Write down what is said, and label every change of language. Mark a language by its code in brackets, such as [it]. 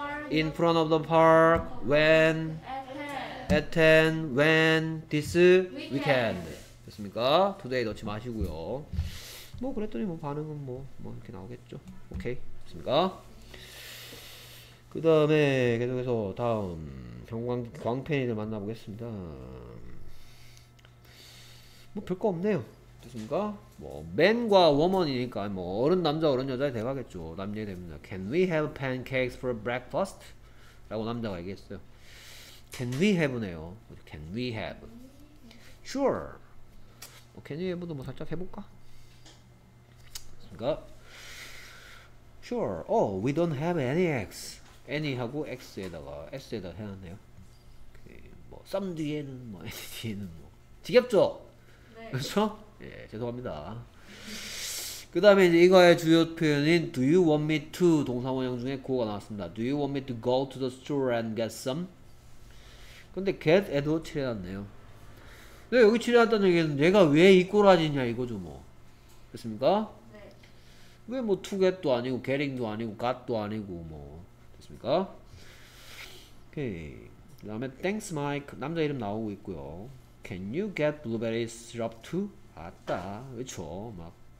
[en] In front of the park, when, at 10, when, this weekend. [ko] 됐습니까? Today 넣지 마시고요. 뭐, 그랬더니 뭐, 반응은 뭐, 이렇게 나오겠죠. 오케이. 됐습니까? 그 다음에 계속해서 다음, 광팬이들 만나보겠습니다. 뭐, 별거 없네요. 됐습니까? 뭐, man과 woman이니까, 뭐, 어른 남자, 어른 여자에 대가겠죠. 남녀에 됩니다. [en] Can we have pancakes for breakfast? [ko] 라고 남자가 얘기했어요. [en] Can we have네요. Can we have? Sure. [ko] 뭐, can we have도 뭐 살짝 해볼까? 됐습니까? Sure. [en] Oh, we don't have any eggs. [ko] Any하고 X에다가, S에다가 해놨네요. 뭐, some 뒤에는 뭐, any 뒤에는 뭐. 지겹죠? 그렇죠? 예, 죄송합니다. 그 다음에 이제 이거의 주요 표현인 [en] Do you want me to [ko] 동사원형 중에 go가 나왔습니다. [en] Do you want me to go to the store and get some? [ko] 근데 get에도 칠해놨네요. 근데 여기 치료한다는 얘기는 얘가 왜 이 꼬라지냐 이거죠 뭐. 됐습니까? 네. 왜 뭐 to get도 아니고 getting도 아니고 got도 아니고 뭐. 됐습니까? 오케이. 그 다음에 thanks Mike. 남자 이름 나오고 있고요. [en] Can you get blueberry syrup too? [ko] 아따. 그쵸. 막.